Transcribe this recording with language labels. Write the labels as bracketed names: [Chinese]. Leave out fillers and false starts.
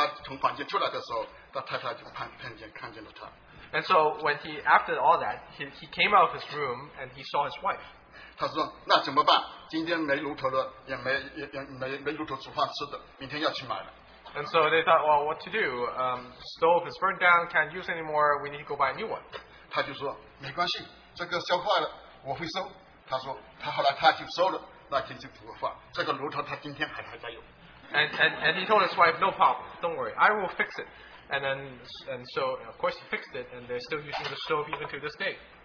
[Chinese] 那天他来的时候，他出来的时候，他太太就碰见了他。他从房间出来的时候，他太太就碰见看见了他。 [English] And so when he after all that, he came out of his room and he saw his wife. [Chinese] 他说：“那怎么办？今天没炉头了，也没炉头煮饭吃的，明天要去买了。” [English] And so they thought, well, what to do? Stove is burned down, can't use anymore. We need to go buy a new one. [Chinese] 他就说没关系，这个烧坏了，我会收。他说他后来他就收了，那天就煮个饭。这个炉头他今天还在用。 [English] And he told his wife, no problem, don't worry, I will fix it. And so of course he fixed it, and they're still using the stove even to this day.